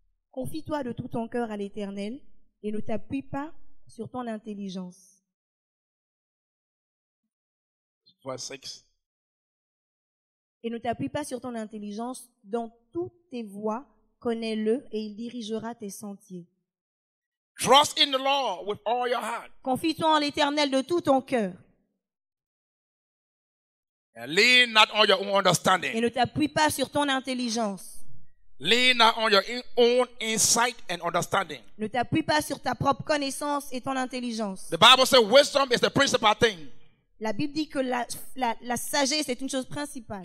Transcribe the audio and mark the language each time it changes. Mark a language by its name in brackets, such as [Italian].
[French] Confie-toi de tout ton cœur à l'Éternel et ne t'appuie pas sur ton intelligence. Verset 6. Et ne t'appuie pas sur ton intelligence, dans toutes tes voies, connais-le et il dirigera tes sentiers. [English] Trust in the Lord with all your heart. [French] Confie-toi en l'Éternel de tout ton cœur. [English] And lean not on your own understanding. [French] Et ne t'appuie pas sur ton intelligence. [English] Lean not on your own insight and understanding. [French] Ne t'appuie pas sur ta propre connaissance et ton intelligence. [English] The Bible says wisdom is the principal thing. [French] La Bible dit que la sagesse est une chose principale.